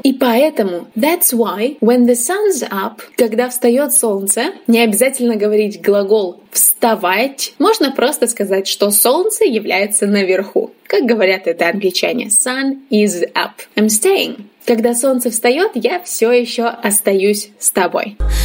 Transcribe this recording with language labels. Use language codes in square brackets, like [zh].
[ru] И поэтому [en] that's why when the sun's up, [ru] когда встает солнце, не обязательно говорить глагол вставать, можно просто сказать, что солнце является наверху. Как говорят это англичане, [en] sun is up, I'm staying. [ru] Когда солнце встает, я все еще остаюсь с тобой.